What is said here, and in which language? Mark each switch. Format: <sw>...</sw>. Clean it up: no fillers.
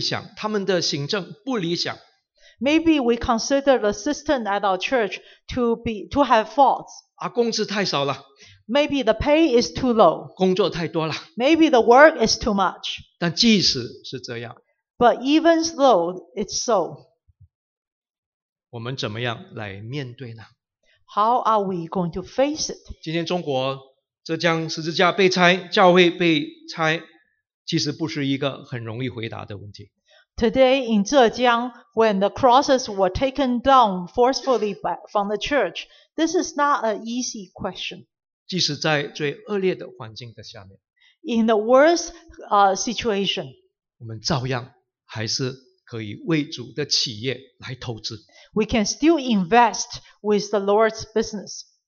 <zh>可能你认为你教会的这个体系不理想,他们的行政不理想。</zh> <en>Maybe we consider the system at our church to have faults.</en> <zh>工资太少了。</zh> <en>Maybe the pay is too low.</en> <zh>工作太多了。</zh> <en>Maybe the work is too much.</en> <zh>但即使是这样。</zh> <en>But even though it's so.</en> <zh>我们怎么样来面对呢?</zh> <en>How are we going to face it?</en> <zh>今天中国,浙江十字架被拆, 教会被拆, 其实不是一个很容易回答的问题。</zh> <en>Today in Zhejiang, when the crosses were taken down forcefully from the church, this is not an easy question.</en> <zh>即使在最恶劣的环境的下面,</zh> <en>in the worst situation,</en> <zh>我们照样还是可以为主的企业来投资。</zh> <en>We can still invest with the Lord's business.</en>